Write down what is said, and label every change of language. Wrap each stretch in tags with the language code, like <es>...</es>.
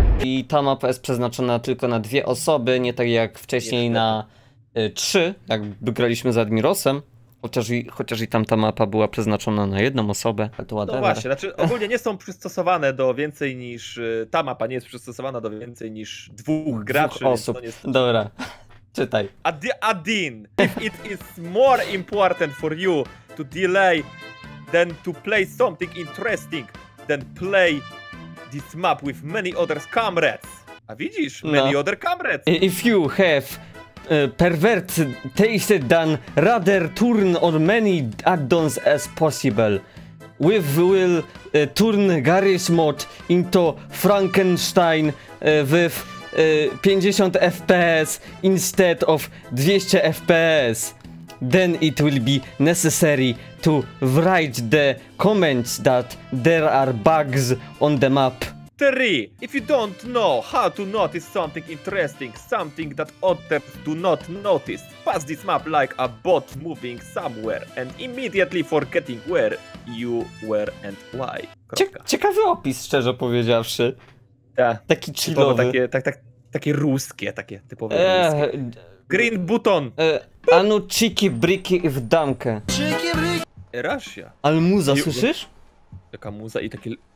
<pl>I ta mapa jest przeznaczona tylko na dwie osoby, nie tak jak wcześniej na trzy, jak graliśmy z Admirosem. Chociaż i tamta mapa była przeznaczona na jedną osobę. To no właśnie, znaczy ogólnie nie są przystosowane do więcej niż... Ta mapa nie jest przystosowana do więcej niż dwóch graczy. Dwóch osób. Nie jest... Dobra, czytaj.</pl> <en>Adin, if it is more important for you to delay than to play something interesting, then play this map with many other comrades.</en> <pl>A widzisz,</pl> <en>many other comrades. If you have... pervert tasted than rather turn on many add-ons as possible. We will turn Garry's mod into Frankenstein with 50 FPS instead of 200 FPS. Then it will be necessary to write the comments that there are bugs on the map. 3. If you don't know how to notice something interesting, something that others do not notice, pass this map like a boat moving somewhere and immediately forgetting where you were and why.</en> <pl>Ciekawy opis, szczerze powiedziawszy. Ta. Taki chillowy. Takie ruskie, takie typowe ruskie.</pl> <en>Green button.</en> <pl>Anu</pl> <en>cheeky bricky</en> <pl>w damkę.</pl> <en>Cheeky bricky. Russia.</en> <pl>Al muza, słyszysz? Taka muza i taki...</pl>